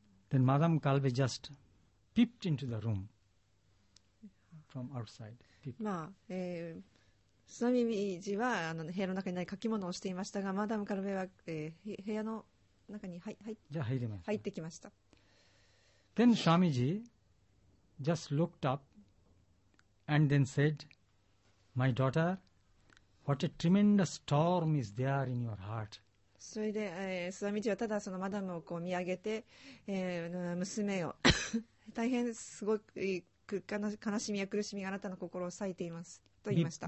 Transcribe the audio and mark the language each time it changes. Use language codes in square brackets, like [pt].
[en] Then Madame Kalbe just peeped into the room from outside. [ja] まあ、スワミジはあの部屋の中に書き物をしていましたが、マダム・カルベは、部屋の中に入ってきました。 [en] Then Swamiji just looked up and then said, My daughter, what a tremendous storm is there in your heart. [ja] それで、スワミジはただそのマダムをこう見上げて、娘を大変すごく悲しみや苦しみがあなたの心を裂いていますと言いました。